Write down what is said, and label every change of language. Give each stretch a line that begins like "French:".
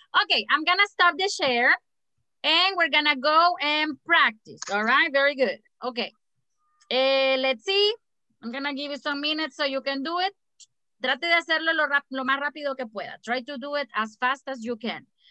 English: Okay, I'm going to stop the share and we're going to go and practice. All right, very good. Okay, let's see. I'm going to give you some minutes so you can do it.
Spanish: Trate de hacerlo lo más rápido que pueda.
English: Try to do it as fast as you can.